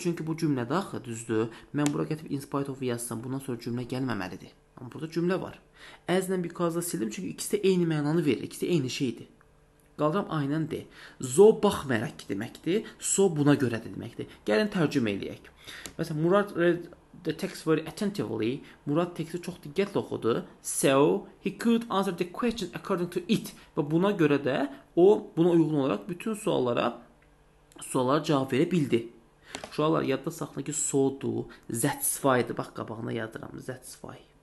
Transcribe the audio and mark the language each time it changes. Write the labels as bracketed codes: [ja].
[az] Çünki bu cümlədə axı, düzdür. Mən bura gətib in spite of-u yazsam, bundan sonra cümlə gəlməməlidir. Amma burada cümlə var. As ilə because da sildim, çünki ikisi də eyni mənanı verir. İkisi də eyni şeydir. Qaldıram aynən de. So baxmayaraq deməkdir. So buna görə də deməkdir. Gəlin tərcümə eləyək. Məsələn, [en] Murad read the text very attentively. [az] Murad texti çox diqqətli oxudu. [en] So he could answer the question according to it. [az] Və buna görə də o, buna uyğun olaraq bütün suallara cavab verə bildi. Şuallar, yadda saxla ki, so-du, satisfy-dir. Bax, qabağına yazıram, satisfy.